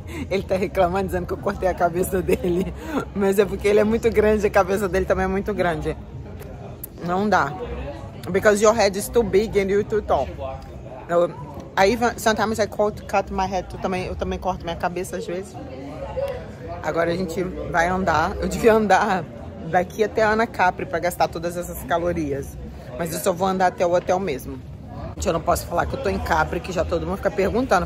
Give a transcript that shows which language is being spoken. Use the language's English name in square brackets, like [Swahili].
[Portuguese] Ele tá reclamando, dizendo que eu cortei a cabeça dele. Mas é porque ele é muito grande, a cabeça dele também é muito grande. Não dá. [English] Because your head is too big and you're too tall. I even, sometimes I cut my head, [Portuguese] eu também corto minha cabeça às vezes. Agora a gente vai andar. Eu devia andar daqui até a Ana Capri pra gastar todas essas calorias. Mas eu só vou andar até o hotel mesmo. Eu não posso falar que eu tô em Capri, que já todo mundo fica perguntando.